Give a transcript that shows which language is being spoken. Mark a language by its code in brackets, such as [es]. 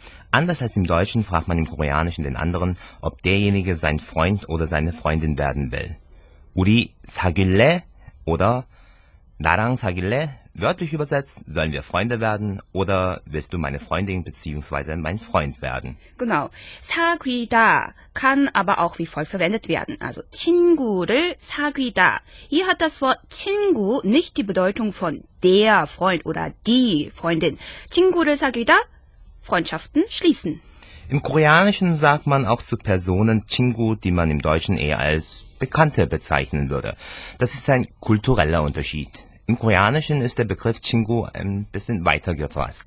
[de] Anders als im Deutschen fragt man im Koreanischen den anderen, ob derjenige sein Freund oder seine Freundin werden will. [ko] Uri sagille [de] oder [ko] Narang sagille, [de] wörtlich übersetzt, sollen wir Freunde werden oder willst du meine Freundin bzw. mein Freund werden? Genau. 사귀다 kann aber auch wie folgt verwendet werden. Also [ko] 친구를 사귀다. [de] Hier hat das Wort 친구 nicht die Bedeutung von der Freund oder die Freundin. [ko] 친구를 사귀다, [de] Freundschaften schließen. Im Koreanischen sagt man auch zu Personen 친구, die man im Deutschen eher als Bekannte bezeichnen würde. Das ist ein kultureller Unterschied. Im Koreanischen ist der Begriff 친구 ein bisschen weiter gefasst.